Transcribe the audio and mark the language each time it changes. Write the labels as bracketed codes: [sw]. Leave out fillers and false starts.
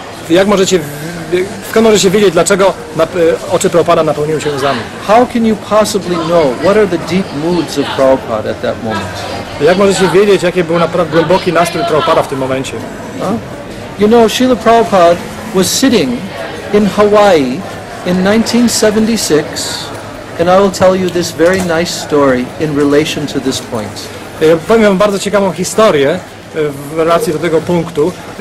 [pl] Jak możecie skąd możecie wiedzieć dlaczego oczy Prabhupada napełniły się łzami? [en] How can you possibly know what are the deep moods of Prabhupada at that moment? [pl] Jak możecie wiedzieć jaki był naprawdę głęboki nastrój Prabhupada w tym momencie? [en] You know, Srila Prabhupada was sitting in Hawaii in 1976, and I will tell you this very nice story in relation to this point. [pl] Powiem wam bardzo ciekawą historię w relacji do tego punktu.